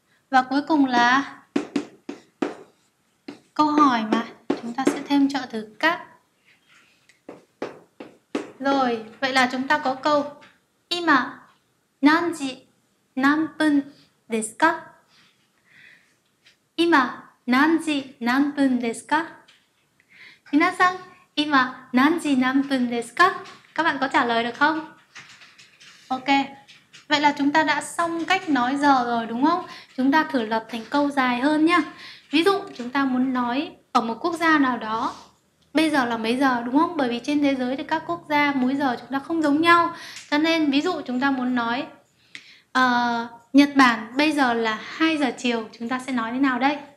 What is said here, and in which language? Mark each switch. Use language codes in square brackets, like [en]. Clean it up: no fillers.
[vi] Và cuối cùng là câu hỏi mà chúng ta sẽ thêm trợ từ các. Rồi, vậy là chúng ta có câu [ja] 今何時何分ですか? 今何時何分ですか? 皆さん今何時何分ですか? [vi] Các bạn có trả lời được không? Ok, vậy là chúng ta đã xong cách nói giờ rồi đúng không? Chúng ta thử lập thành câu dài hơn nhé. Ví dụ chúng ta muốn nói ở một quốc gia nào đó bây giờ là mấy giờ đúng không? Bởi vì trên thế giới thì các quốc gia múi giờ chúng ta không giống nhau. Cho nên ví dụ chúng ta muốn nói Nhật Bản bây giờ là 2 giờ chiều, chúng ta sẽ nói thế nào đây?